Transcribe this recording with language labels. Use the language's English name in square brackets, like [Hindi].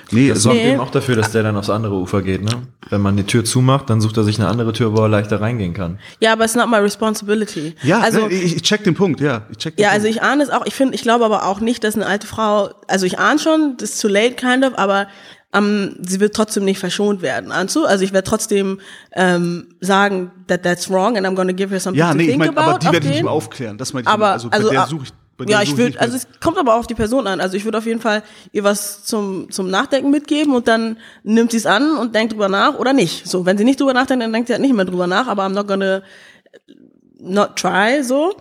[German] Nee, das sorgt eben auch dafür, dass der dann aufs andere Ufer geht, ne? Wenn man die Tür zumacht, dann sucht er sich eine andere Tür, wo er leichter reingehen kann. Ja, aber [English] it's not my responsibility. [German] Ja, also ich check den Punkt, Also ich ahne es auch, ich glaube aber auch nicht, dass eine alte Frau, also ich ahne schon, das ist [English] too late kind of, [German] aber sie wird trotzdem nicht verschont werden. Also ich werde trotzdem sagen, [English] that that's wrong and I'm gonna give her something to think about. [German] Ja, nee, ich meine, aber die werde ich nicht mehr aufklären. Das meine ich aber, ich suche also es kommt aber auch auf die Person an. Also ich würde auf jeden Fall ihr was zum Nachdenken mitgeben und dann nimmt sie es an und denkt drüber nach oder nicht. So, wenn sie nicht drüber nachdenkt, dann denkt sie halt nicht mehr drüber nach, aber [English] I'm not gonna not try, so.